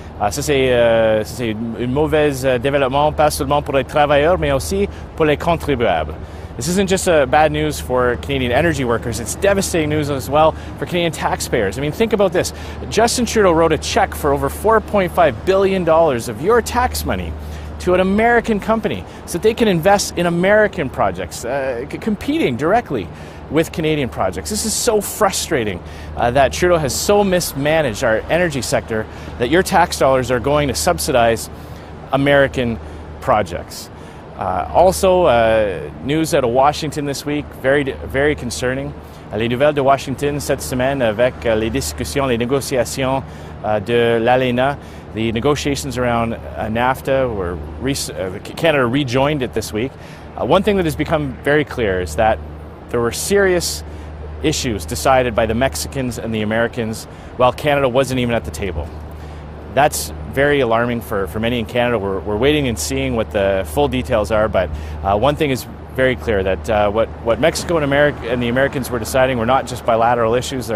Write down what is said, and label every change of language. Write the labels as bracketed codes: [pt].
[fr] Ça, c'est une mauvaise développement, pas seulement pour les travailleurs, mais aussi pour les contribuables. [en] This isn't just bad news for Canadian energy workers. It's devastating news as well for Canadian taxpayers. I mean, think about this. Justin Trudeau wrote a check for over $4.5 billion of your tax money to an American company so that they can invest in American projects, competing directly with Canadian projects. This is so frustrating that Trudeau has so mismanaged our energy sector that your tax dollars are going to subsidize American projects. Also, news out of Washington this week, very, very concerning. [fr] Les nouvelles de Washington cette semaine avec les discussions, les négociations de l'ALENA. [en] The negotiations around NAFTA, where Canada rejoined it this week. One thing that has become very clear is that there were serious issues decided by the Mexicans and the Americans while Canada wasn't even at the table. That's very alarming for many in Canada. We're waiting and seeing what the full details are, but one thing is very clear, that what Mexico and America and the Americans were deciding were not just bilateral issues.